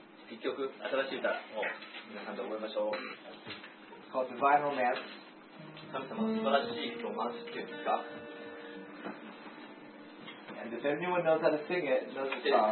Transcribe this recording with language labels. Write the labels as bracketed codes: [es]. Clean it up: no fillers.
[ja] 一曲新しい歌を皆さんで覚えましょう。 [en] It's called Divine Romance. [ja] 神様の素晴らしいロマンスっていうんですか。 [en] And if anyone knows how to sing it, knows the song.